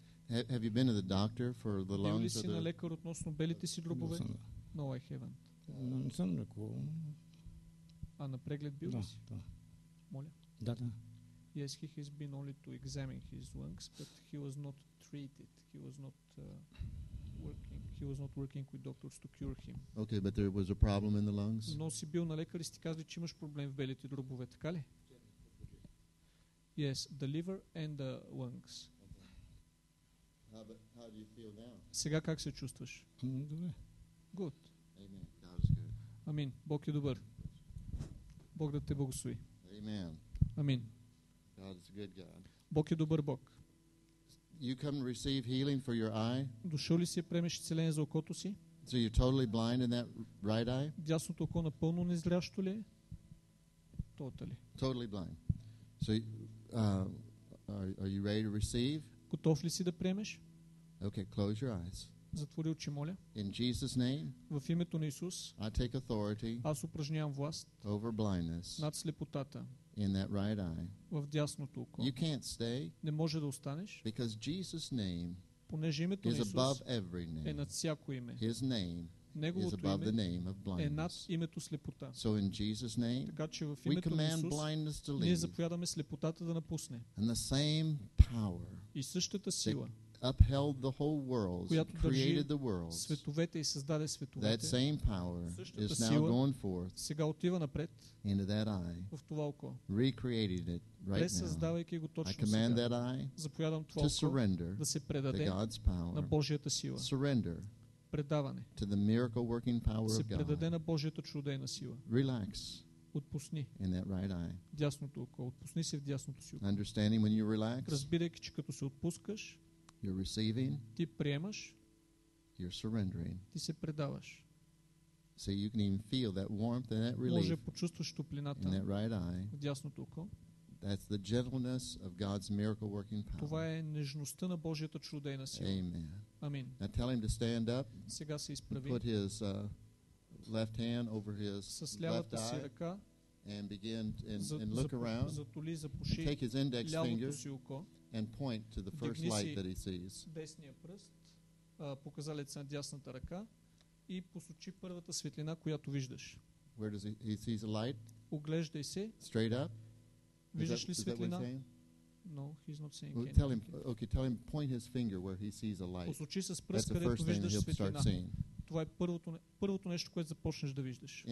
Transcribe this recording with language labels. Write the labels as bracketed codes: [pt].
[en] Have you been to the doctor for the lungs? [bg] Бил ли си на лекар относно белите си дробове? [en] No, I haven't. [bg] Не съм лекувал. А на преглед бил ли си? Да. Моля? Да. [en] Yes, he has been only to examine his lungs, but he was not treated. He was not working. He was not working with doctors to cure him. Okay, but there was a problem in the lungs? [bg] Но си бил на лекар и си казали, че имаш проблем в белите дробове, така ли? [en] Yes, the liver and the lungs. How do you feel now? [bg] Сега как се чувстваш? Добре. [en] Good. Amen. God is good. [bg] Амин. Бог е добър. Бог да те благослови. [en] Amen. [bg] Амин. [en] God is a good God. [bg] Бог е добър Бог. [en] You come receive healing for your eye? [bg] Дошъл ли си приемеш изцеление за окото си? [en] So you're totally blind in that right eye? [bg] Дясното око напълно незрящо ли е? [en] Totally. Totally blind. So are you ready to receive? [bg] Готов ли си да приемеш? [en] Okay, close your eyes. [bg] Затвори очи, моля. [en] In Jesus name. [bg] В името на Исус. [en] I take authority. [bg] Аз упражнявам власт. [en] Over blindness. [bg] Над слепотата. [en] In that right eye. [bg] В дясното око. [en] You can't stay. [bg] Не може да останеш. [en] Because Jesus name. [bg] Понеже името на Исус. [en] Is above every name. [bg] Е над всяко име. [en] His name. [bg] Неговото [en] is above the name of blindness. [bg] Е над името слепота. [en] So in Jesus name. [bg] Така че в името на Исус. [en] Blindness to leave. [bg] Ние заповядаме слепотата да напусне. [en] And the same power. [bg] И същата сила. [en] Upheld the whole world, created the world. [bg] Световете и създаде световете. [en] That same power is now going forth. [bg] Сега отива напред. [en] Into that eye. [bg] В това око. [en] Recreated it right now. [bg] Пресъздавайки го точно сега. [en] I command that eye. [bg] Заповядам това око. [en] To surrender. [bg] Да се предаде. [en] To God's power. [bg] На Божията сила. [en] Surrender. [bg] Предаване. [en] To the miracle working power of God. [bg] Се предаде на Божията чудесна сила. [en] Relax. [bg] Отпусни. [en] In that right eye. [bg] Дясното око. Отпусни се в дясното си око. [en] Understanding when you relax. [bg] Разбирайки, че като се отпускаш. [en] You're receiving. [bg] Ти приемаш. [en] You're surrendering. [bg] Ти се предаваш. [en] So you can even feel that warmth and that relief. [bg] Може почувстваш топлината. [en] In that right eye. [bg] В дясното око. [en] That's the gentleness of God's miracle working power. [bg] Това е нежността на Божията чудесна сила. [en] Amen. [bg] Амин. [en] Now tell him to stand up. [bg] Сега се изправи. [en] Put his left hand over his [bg] с лявата [en] left [bg] си ръка. [en] And begin and look around. [bg] Затоли, запуши. [en] Take his index finger. [bg] Си око. [en] And point to the first light that he sees. [bg] Десния пръст, показалец на дясната ръка и посочи първата светлина, която виждаш. [en] Where does he sees a light? [bg] Оглеждай се. [en] Straight up. [bg] Виждаш ли светлина? [en] No, he's not seeing. Well, tell him, okay, tell him point his finger where he sees a light. [bg] Посочи с пръст, където виждаш светлина. Това е първото нещо, което започнеш да виждаш.